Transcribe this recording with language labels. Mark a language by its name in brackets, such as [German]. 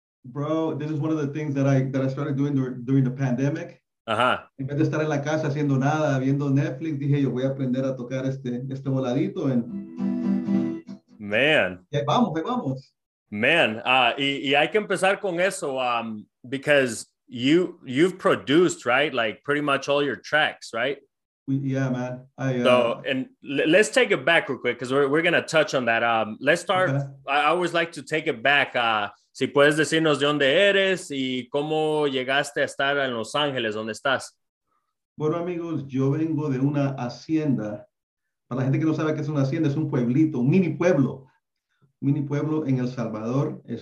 [English] Bro, this is one of the things that I started doing during the pandemic. Uh-huh. [Spanish] En vez de estar en la casa haciendo nada, viendo Netflix, dije yo voy a aprender a tocar este voladito. [English] Man. [Spanish] Vamos. Man, y hay que empezar con eso, [English] because you've produced, right? Like pretty much all your tracks, right? Yeah, man. Let's take it back real quick, because we're going to touch on that. Let's start. Okay. I always like to take it back. [Spanish] Si puedes decirnos de dónde eres y cómo llegaste a estar en Los Ángeles, ¿dónde estás? Bueno, amigos, yo vengo de una hacienda. Para la gente que no sabe qué es una hacienda, es un pueblito, un mini pueblo. Mini pueblo en El Salvador.